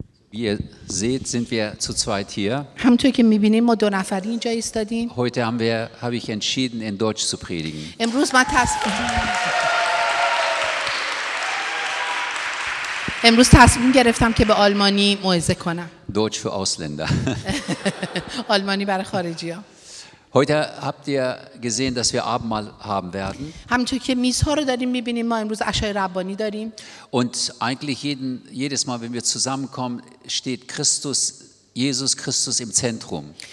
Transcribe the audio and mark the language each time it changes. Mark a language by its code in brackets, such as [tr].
[de] ihr seht, sind wir zu zweit hier. [fa] همطور که می‌بینیم ما دو نفری اینجا ایستادیم. [de] Heute habe ich entschieden, in Deutsch zu predigen. [fa] امروز ما امروز تصمیم گرفتم که به آلمانی موعظه کنم. [de] Deutsch für Ausländer. [fa] آلمانی برای خارجی ها. [de] Heute habt ihr gesehen, dass wir Abendmahl haben werden. Und eigentlich jedes Mal, wenn wir zusammenkommen, steht Christus, Jesus Christus im Zentrum.